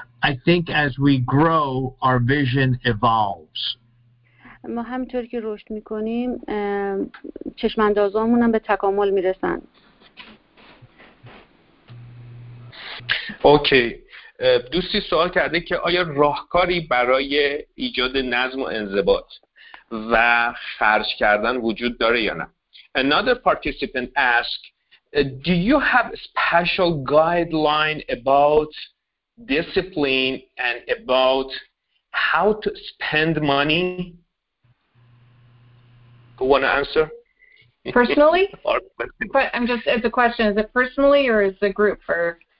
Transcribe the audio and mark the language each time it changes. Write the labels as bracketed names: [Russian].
[English] I think as we grow, our vision evolves. [Persian] ما همینطور که رشد میکنیم چشماندازامون هم به تکامل میرسن. اوکی. دوستی سوال کرده که آیا راهکاری برای ایجاد نظم و انضباط و خرج کردن وجود داره یا نه؟ [English] Another participant asked, do you have a special guideline about discipline and about how to spend money? Who want to answer? Personally? But I'm just, it's a question. Is it personally or is the group for?